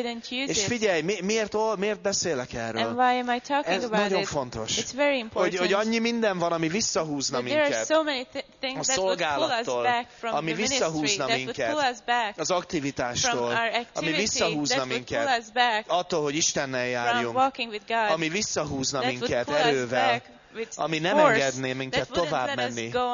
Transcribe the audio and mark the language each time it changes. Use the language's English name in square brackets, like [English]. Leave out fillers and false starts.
[Hungarian] És figyelj, miért beszélek? Erről. [English] And why am I talking [Hungarian] ez [English] about it? [Hungarian] Ez nagyon fontos. [English] It's very important. [Hungarian] Hogy annyi minden van, ami visszahúzna minket. [English] There are so many things that would pull us back from [Hungarian] ami visszahúzna minket. Az aktivitástól, ami visszahúzna minket. Attól, hogy Istennel járjunk. [English] From walking with God. [Hungarian] Ami visszahúzna minket erővel. Ami nem engedné minket tovább menni.